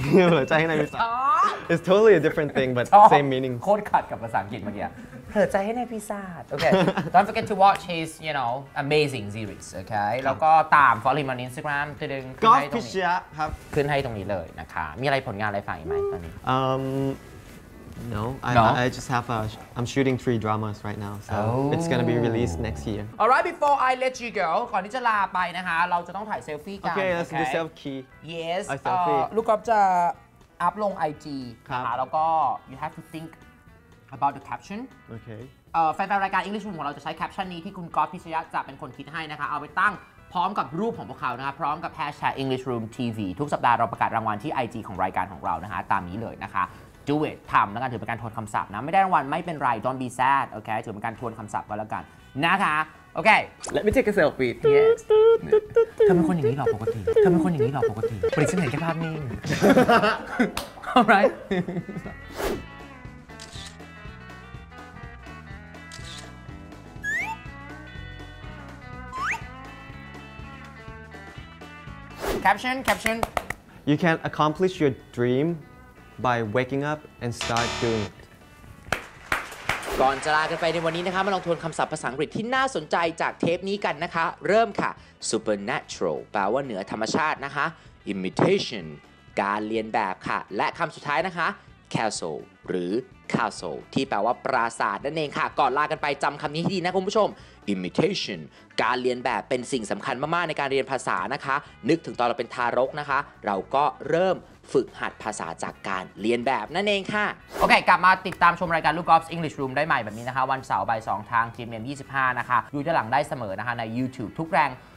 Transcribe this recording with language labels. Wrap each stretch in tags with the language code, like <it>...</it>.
<th>เผลอใจให้นายปีศาจ</th> <en>It's totally a different thing but same meaning</en> <th>โคตรขัดกับภาษาอังกฤษเมื่อกี้เผลอใจให้นายปีศาจโอเค</th> <en>Don't forget to watch his you know amazing series okay</en> <th>แล้วก็ตาม follow him on Instagram ตัวนึง ขึ้นให้ตรงนี้ก็พิเศษครับ ขึ้นให้ตรงนี้เลยนะคะมีอะไรผลงานอะไรฝากอีกไหมตอนนี้</th> <en>No, I just have a. I'm shooting 3 dramas right now, so it's gonna be released next year. All right, before I let you go,</en> <th>ก่อนที่จะลาไปนะคะเราจะต้องถ่ายเซลฟี่กัน โอเคแล้วจะเซลฟี่</th> <en>Yes, I selfie.</en> <th>ลูกก๊อฟจะอัพลง IG ค่ะแล้วก็</th> <en>you have to think about the caption. Okay.</en> <th>แฟนรายการ English ของเราจะใช้แคปชั่นนี้ที่คุณก๊อฟพิชยะจะเป็นคนคิดให้นะคะเอาไปตั้งพร้อมกับรูปของพวกเขานะครับพร้อมกับแฮชแท็ก English Room TV ทุกสัปดาห์เราประกาศรางวัลที่ IG ของรายการของเรานะคะตามนี้เลยนะคะdo it ทำแล้วกันถือเป็นการทวนคำศัพท์นะไม่ได้รางวัลไม่เป็นไร</th> <en>don't be sad</en> <th>โอเคถือเป็นการทวนคำศัพท์ก็แล้วกันนะคะโอเค</th> <en>let me take a selfie</en> <th>เธอเป็นคนอย่างนี้หรอปกติเธอเป็นคนอย่างนี้หรอปกติปริศนาเห็นแค่ภาพนิ่ง</th> <en>all right caption you can accomplish your dreamby waking up and start doing it.</en> <th>ก่อนจะลากันไปในวันนี้นะคะมาลองทวนคำศัพท์ภาษาอังกฤษที่น่าสนใจจากเทปนี้กันนะคะเริ่มค่ะ supernatural แปลว่าเหนือธรรมชาตินะคะ imitation การเรียนแบบค่ะและคำสุดท้ายนะคะ castle หรือ castle ที่แปลว่าปราสาทนั่นเองค่ะก่อนลากันไปจำคำนี้ให้ดีนะคุณผู้ชม imitation การเรียนแบบเป็นสิ่งสำคัญมากๆในการเรียนภาษานะคะนึกถึงตอนเราเป็นทารกนะคะเราก็เริ่มฝึกหัดภาษาจากการเรียนแบบนั่นเองค่ะโอเคกลับมาติดตามชมรายการ Loukgolf's English Room ได้ใหม่แบบนี้นะคะวันเสาร์บ่าย2ทางทีมเมม25นะคะดูได้หลังได้เสมอนะคะใน YouTube ทุกแรง</th>